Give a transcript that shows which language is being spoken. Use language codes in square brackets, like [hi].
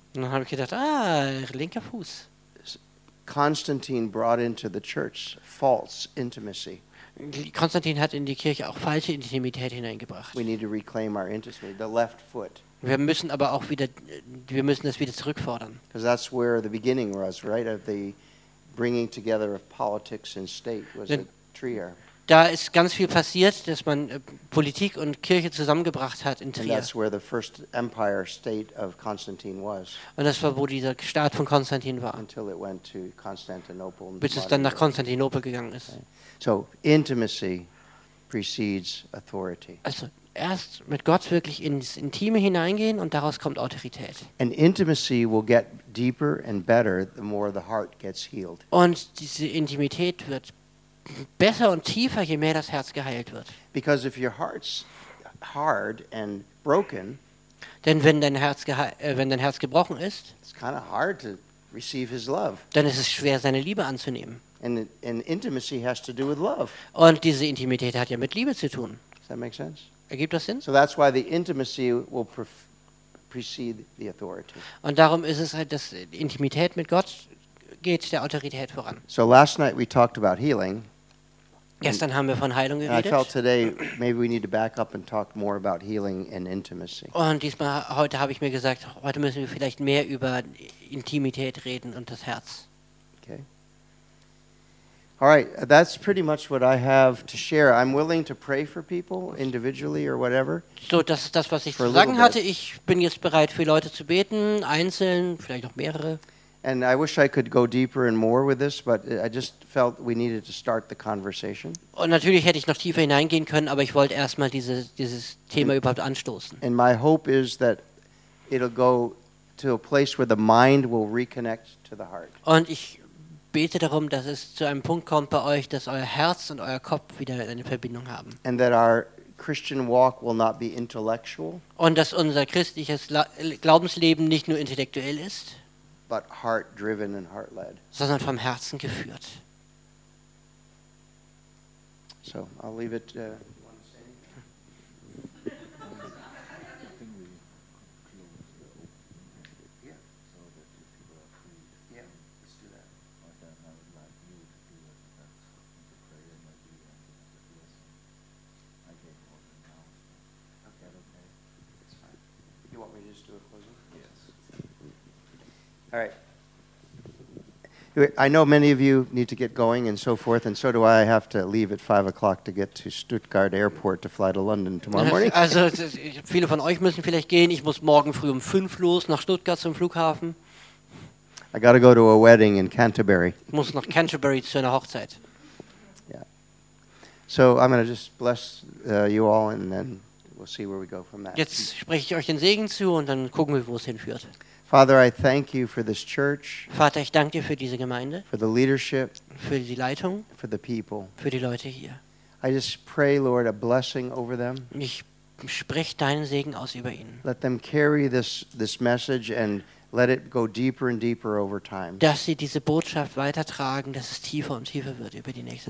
[de] Und dann habe ich gedacht, linker Fuß. [en] Constantine brought into the church false intimacy. [de] Konstantin hat in die Kirche auch falsche Intimität hineingebracht. [en] We need to reclaim our intimacy, the left foot. [de] Wir müssen aber auch wieder, wir müssen das wieder zurückfordern. [en] Because that's where the beginning was, right? Of the bringing together of politics and state was in Trier. [de] Da ist ganz viel passiert, dass man Politik und Kirche zusammengebracht hat in Trier. [en] And that's where the first empire state of Constantine was. [de] Und das war, wo dieser Staat von Konstantin war. [en] Until it went to Constantinople. [de] Bis es dann nach Konstantinopel gegangen ist. [en] So intimacy precedes authority. [de] Also erst mit Gott wirklich ins Intime hineingehen, und daraus kommt Autorität. [en] And intimacy will get deeper and better the more the heart gets healed. [de] Und diese Intimität wird besser und tiefer, je mehr das Herz geheilt wird. [en] Because if your heart's hard and broken, [de] denn wenn dein Herz gebrochen ist, [en] it's kind of hard to receive his love. [de] Dann ist es schwer, seine Liebe anzunehmen. [en] And intimacy has to do with love. [de] Und diese Intimität hat ja mit Liebe zu tun. [en] Does that make sense? [de] Ergibt das Sinn? [en] So that's why the intimacy will precede the authority. [de] Und darum ist es halt, dass Intimität mit Gott geht der Autorität voran. [en] So last night we talked about healing. [de] Gestern haben wir von Heilung geredet. [en] I felt today maybe we need to back up and talk more about healing and intimacy. [de] Und diesmal heute habe ich mir gesagt, heute müssen wir vielleicht mehr über Intimität reden und das Herz. [en] Okay. All right, that's pretty much what I have to share. I'm willing to pray for people individually or whatever. [de] So, das ist das, was ich zu sagen hatte. Ich bin jetzt bereit, für Leute zu beten, einzeln, vielleicht noch mehrere. [en] And I wish I could go deeper and more with this, but I just felt we needed to start the conversation. [de] Und natürlich hätte ich noch tiefer hineingehen können, aber ich wollte erstmal dieses Thema überhaupt anstoßen. [en] And my hope is that it'll go to a place where the mind will reconnect to the heart. [de] Und ich bete darum, dass es zu einem Punkt kommt bei euch, dass euer Herz und euer Kopf wieder eine Verbindung haben. [en] And that our Christian walk will not be intellectual. [de] Und dass unser christliches Glaubensleben nicht nur intellektuell ist, [en] but heart driven and heart led. [de] Sondern vom Herzen geführt. [en] So, I'll leave it. All right. I know many of you need to get going and so forth, and so do I. I have to leave at 5 o'clock to get to Stuttgart Airport to fly to London tomorrow morning. [de] Also, viele von euch müssen vielleicht gehen. Ich muss morgen früh 5 los nach Stuttgart zum Flughafen. [en] I got to go to a wedding in Canterbury. [de] Ich muss nach Canterbury zu einer Hochzeit. [en] Yeah. So I'm going to just bless you all, and then we'll see where we go from that. [de] Jetzt spreche ich euch den Segen zu und dann gucken wir, wo es hinführt. [en] Father, I thank you for this church. [de] Vater, ich danke dir für diese Gemeinde. [en] For the leadership. [de] Für die Leitung. [en] For the people. [de] Für die Leute hier. [en] I just pray, Lord, a blessing over them. [de] Ich sprich deinen Segen aus über ihnen. [en] Let them carry this message and let it go deeper and deeper over time. [de] Dass sie diese Botschaft weitertragen, dass es tiefer und tiefer wird über die nächste